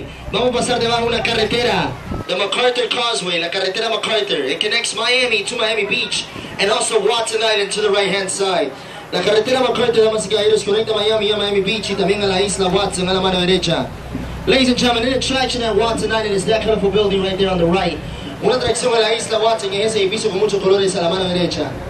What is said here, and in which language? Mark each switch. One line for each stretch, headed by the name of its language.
English: The MacArthur Causeway, La Carretera MacArthur. It connects Miami to Miami Beach and also Watson Island to the right hand side.
Spanish: La Carretera MacArthur, damas y caballeros, conecta Miami a Miami Beach y también a la isla Watson a la mano derecha.
English: Ladies and gentlemen, an attraction at Watson Island is that colorful building right there on the right.
Spanish: Una atracción a la isla Watson es ese edificio con muchos colores a la mano derecha.